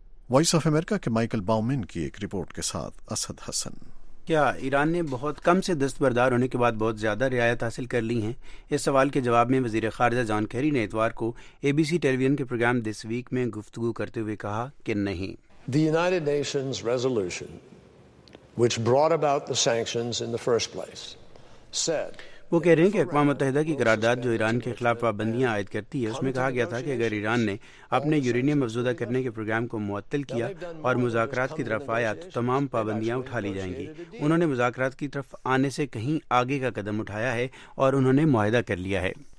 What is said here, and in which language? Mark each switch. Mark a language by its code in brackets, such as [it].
[ur] Voice of America کے Michael باؤمن کی ایک رپورٹ کے ساتھ اسد حسن. کیا ایران نے بہت کم سے دستبردار ہونے کے بعد بہت زیادہ رعایت حاصل کر لی ہیں؟ اس سوال کے جواب میں وزیر خارجہ جان کیری نے اتوار کو اے بی سی ٹیلی ویژن کے پروگرام دس ویک میں گفتگو کرتے ہوئے کہا کہ نہیں. [en] the United Nations resolution which brought about the sanctions in the first place said, [ur] وہ کہہ رہے ہیں کہ اقوام متحدہ کی قرارداد جو ایران کے خلاف پابندیاں عائد کرتی ہے اس میں کہا گیا تھا کہ اگر ایران نے اپنے یورینیم مفزودہ کرنے کے پروگرام کو معطل کیا اور مذاکرات کی طرف آیا تو تمام پابندیاں اٹھا لی جائیں گی. انہوں نے مذاکرات کی طرف آنے سے کہیں آگے کا قدم اٹھایا ہے اور انہوں نے معاہدہ کر لیا ہے.